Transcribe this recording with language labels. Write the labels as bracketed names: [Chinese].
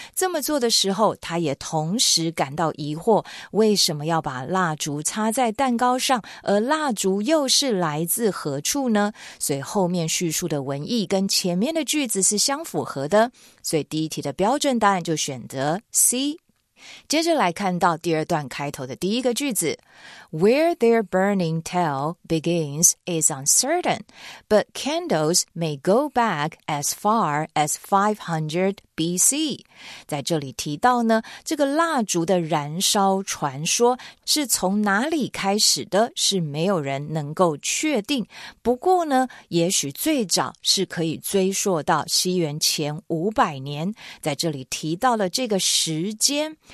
[Chinese] 这么做的时候，她也同时感到疑惑，为什么要把蜡烛插在蛋糕上，而蜡烛又是来自何处呢？所以后面叙述的文意跟前面的句子是相符合的，所以第一题的标准答案就选择 C。接着来看到第二段开头的第一个句子 [English] Where their burning tale begins is uncertain, but candles may go back as far as 500 BC. [Chinese] 在这里提到呢，这个蜡烛的燃烧传说是从哪里开始的，是没有人能够确定。不过呢，也许最早是可以追溯到西元前500年，在这里提到了这个时间。